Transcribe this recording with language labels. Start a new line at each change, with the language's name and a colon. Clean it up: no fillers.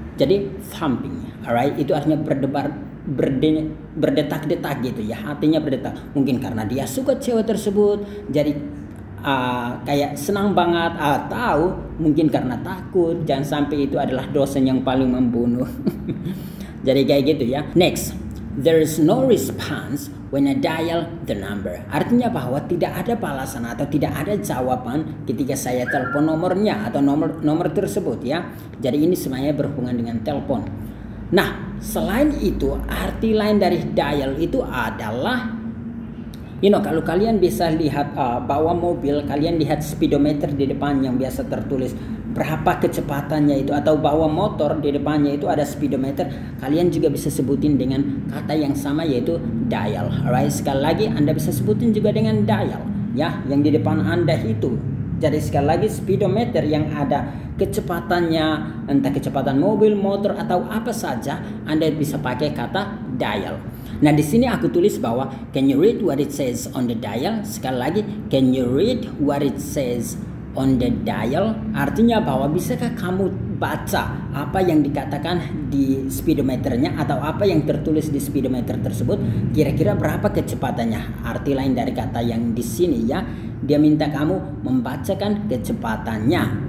Indonesian: Jadi thumping,
English: alright?
Indonesian: Itu artinya berdebar, berdetak-detak gitu, ya. Hatinya berdetak. Mungkin karena dia suka cewek tersebut, jadi kayak senang banget, atau mungkin karena takut. Jangan sampai itu adalah dosen yang paling membunuh. Jadi kayak gitu, ya.
English: Next, there is no response when I dial the number.
Indonesian: Artinya bahwa tidak ada balasan atau tidak ada jawaban ketika saya telepon nomornya atau nomor tersebut, ya. Jadi ini semuanya berhubungan dengan telepon. Nah, selain itu, arti lain dari dial itu adalah,
English: you know,
Indonesian: kalau kalian bisa lihat bawa mobil, kalian lihat speedometer di depan yang biasa tertulis berapa kecepatannya itu, atau bawa motor di depannya itu ada speedometer, kalian juga bisa sebutin dengan kata yang sama, yaitu dial.
English: Alright,
Indonesian: sekali lagi, Anda bisa sebutin juga dengan dial, ya, yang di depan Anda itu. Jadi sekali lagi, speedometer yang ada kecepatannya, entah kecepatan mobil, motor, atau apa saja, Anda bisa pakai kata dial. Nah, di sini aku tulis bahwa,
English: can you read what it says on the dial?
Indonesian: Sekali lagi,
English: can you read what it says on the dial?
Indonesian: Artinya bahwa, bisakah kamu baca apa yang dikatakan di speedometernya, atau apa yang tertulis di speedometer tersebut, kira-kira berapa kecepatannya? Arti lain dari kata yang di sini, ya, dia minta kamu membacakan kecepatannya.